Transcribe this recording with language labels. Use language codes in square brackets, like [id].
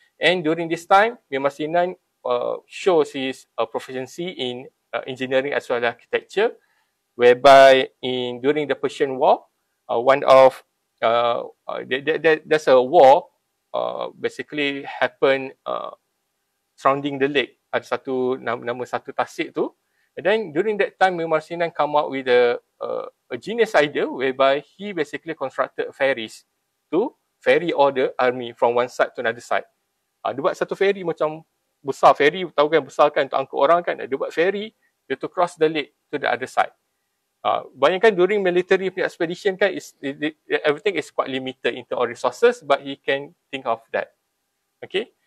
[en] And during this time, Mimar Sinan shows his proficiency in engineering as well as architecture. Whereby during the Persian War, there's a war basically happened surrounding the lake. [ms] Ada satu, nama satu tasik tu. [en] And then during that time, Mimar Sinan come up with a genius idea whereby he basically constructed ferries to ferry all the army from one side to another side. [ms] Dia buat satu ferry macam besar. Ferry, tahu kan, besar kan untuk angkut orang kan. Dia buat ferry, dia [en] to cross the lake to the other side. [ms] Bayangkan [en] during military expedition kan, everything is quite limited in terms of resources, but he can think of that. Okay.